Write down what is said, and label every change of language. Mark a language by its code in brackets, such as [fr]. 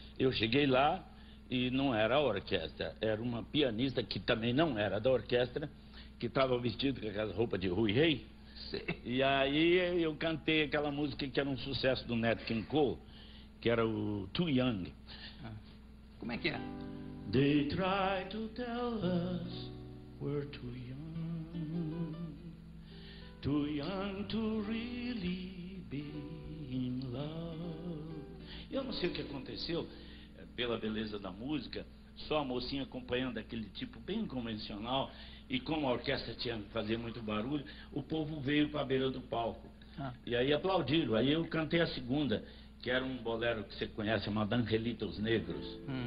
[pt] Eu cheguei lá, e não era a orquestra, era uma pianista que também não era da orquestra, que estava vestida com aquela roupa de Rui Rei. E aí eu cantei aquela música que era um sucesso do Nat King Cole, que era o Too Young. Como é que é? [en] They try to tell us we're too young, too young to really be in love. [pt] Eu não sei o que aconteceu. Pela beleza da música, só a mocinha acompanhando aquele tipo bem convencional, e como a orquestra tinha que fazer muito barulho, o povo veio para a beira do palco. E aí aplaudiram. Aí eu cantei a segunda, que era um bolero que você conhece, chamado Angelita os Negros.